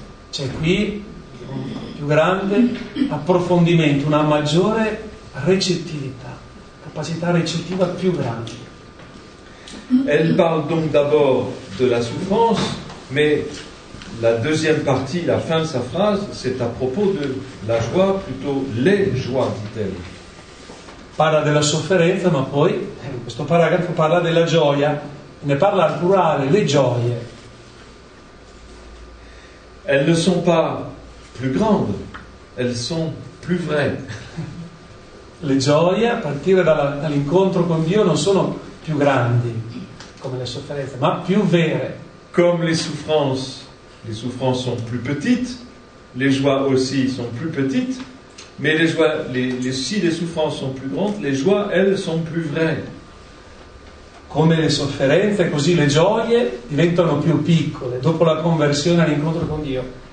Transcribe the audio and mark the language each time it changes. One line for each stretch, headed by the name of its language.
Italian: C'è qui un più grande approfondimento, una maggiore recettività, capacità recettiva più grande.
French: Elle parle donc d'abord de la souffrance, mais la deuxième partie, la fin de sa phrase, c'est à propos de la joie, plutôt les joies, dit-elle.
Italian: Parla della sofferenza, ma poi questo paragrafo parla della gioia, ne parla al plurale, le gioie.
French: Elles ne sont pas plus grandes, elles sont plus vraies.
Italian: Le gioie, a partire dall'incontro con Dio, non sono più grandi come le sofferenze, ma più vere.
French: Comme les souffrances sont plus petites, les joies aussi sont plus petites. Mais les joies, si les souffrances sont plus grandes, les joies, elles, sont plus vraies.
Italian: Come le sofferenze, così le gioie diventano più piccole dopo la conversione all'incontro con Dio.